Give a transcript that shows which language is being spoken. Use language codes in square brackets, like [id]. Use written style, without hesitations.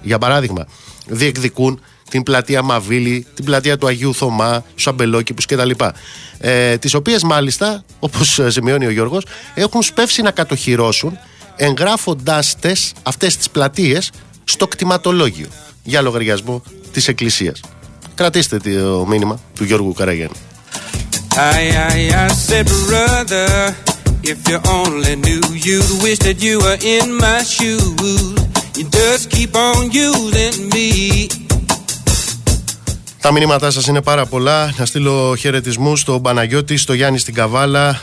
[el] Για παράδειγμα, διεκδικούν την πλατεία Μαβίλη, την πλατεία του Αγίου Θωμά, στους Αμπελόκηπους κτλ. Τις οποίες μάλιστα, όπως σημειώνει ο Γιώργος, έχουν σπεύσει να κατοχυρώσουν εγγράφοντάς αυτές τις πλατείες στο κτηματολόγιο για λογαριασμό της Εκκλησίας. Κρατήστε το μήνυμα του Γιώργου Καραγιάννη. [en] I said, brother, if you only knew, you'd wish that you were in my shoes. You just keep on using me. [el] Τα μηνύματά σας είναι πάρα πολλά. Να στείλω χαιρετισμού στον Παναγιώτη, στο Γιάννη στην Καβάλα.